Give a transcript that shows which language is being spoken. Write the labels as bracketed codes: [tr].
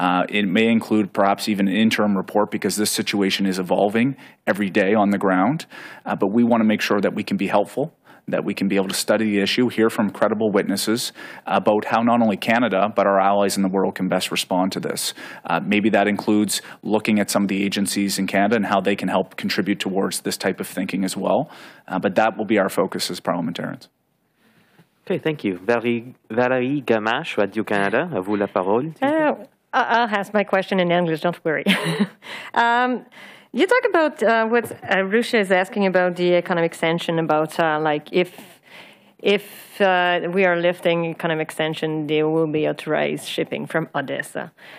[en] It may include perhaps even an interim report because this situation is evolving every day on the ground, but we want to make sure that we can be helpful, that we can be able to study the issue, hear from credible witnesses about how not only Canada, but our allies in the world can best respond to this. Maybe that includes looking at some of the agencies in Canada and how they can help contribute towards this type of thinking as well. But that will be our focus as parliamentarians. Okay, thank you. [fr] Valérie Gamache, Radio-Canada, à vous la parole. [en] I'll ask my question in English, don't worry. You talk about what Arusha is asking about the economic sanction, about like if we are lifting economic sanction, there will be authorized shipping from Odessa.